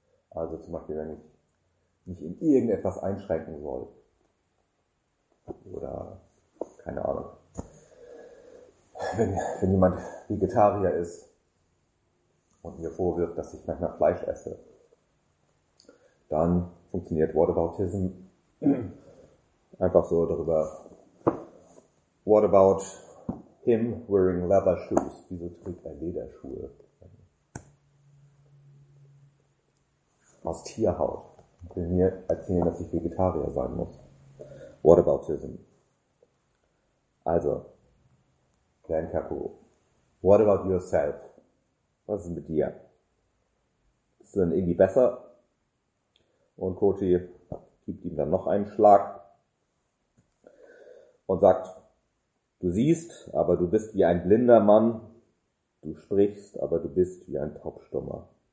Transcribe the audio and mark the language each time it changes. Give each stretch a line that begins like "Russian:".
German: Also zum Beispiel, wenn ich mich in irgendetwas einschränken soll oder keine Ahnung. Wenn jemand Vegetarier ist und mir vorwirft, dass ich manchmal Fleisch esse, dann funktioniert Whataboutism einfach so darüber.
English: What about him wearing leather shoes?
German: Wieso trägt er Lederschuhe? Aus Tierhaut. Ich will mir erzählen, dass ich Vegetarier sein muss.
English: Whataboutism. Also, Glenn Kaku, what about yourself?
German: Was ist mit dir? Bist du denn irgendwie besser? Und Koti gibt ihm dann noch einen Schlag und sagt, du siehst, aber du bist wie ein blinder Mann. Du sprichst, aber du bist wie ein Taubstummer.